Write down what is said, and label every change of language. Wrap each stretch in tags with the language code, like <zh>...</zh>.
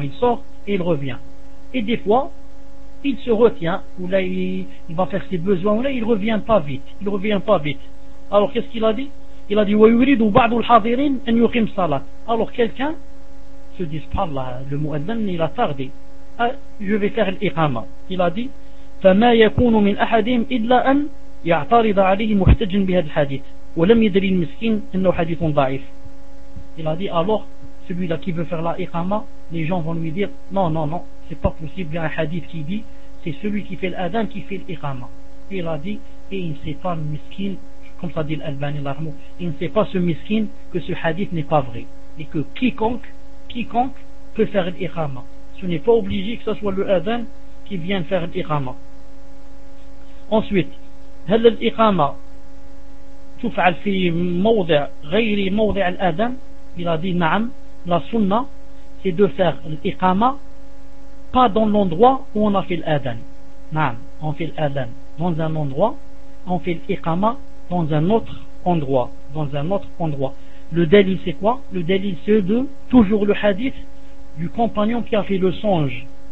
<fr>Il sort et il revient. Et des fois, il se retient, ou là, il va faire ses besoins, ou là, il revient pas vite. Il revient pas vite. Alors, qu'est-ce qu'il a dit? Il a dit, wa yuridu ba'du al-hadirin an yuqim salat. Alors, quelqu'un se dit, subhanallah, le mu'adhan, il a tardé. Ah, je vais faire l'iqama.</fr> <ar>Il a dit, فما يكون من أحدهم إلا أن يعترض عليه محتج بهذا الحديث ولم يدري المسكين أنه حديث ضعيف. Il a dit alors celui-là qui veut faire l'iqama,</ar> <fr>les gens vont lui dire non, non, non, c'est pas possible, il y a un hadith qui dit c'est celui qui fait l'adhan qui fait l'iqama. Il a dit, et il ne sait pas le miskin, comme ça dit l'Albani, il ne sait pas ce miskin que ce hadith n'est pas vrai et que quiconque peut faire l'iqama. Ce n'est pas obligé que ce soit le adhan qui vienne faire l'iqama. Ensuite, هل الإقامة تفعل في موضع غير موضع الأذان؟ Il a dit نعم. La sunna, c'est de faire l'إقامة pas dans l'endroit où on a fait l'أذان. نعم, on fait l'أذان dans un endroit, on fait l'إقامة dans un autre endroit, dans un autre endroit. Le délit c'est quoi? Le délit c'est de toujours le hadith du compagnon qui a fait le songe.</fr>